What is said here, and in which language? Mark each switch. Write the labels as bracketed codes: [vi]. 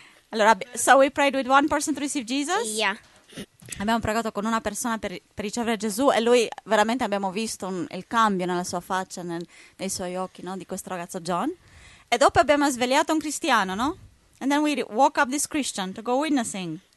[en] Allora, so we prayed with one person to receive Jesus. Yeah. [it] Abbiamo pregato con una persona per ricevere Gesù e lui veramente abbiamo visto il cambio nella sua faccia, nei suoi occhi, no, di questo ragazzo John. E dopo abbiamo svegliato un cristiano, no? [en] And then we woke up this Christian to go witnessing.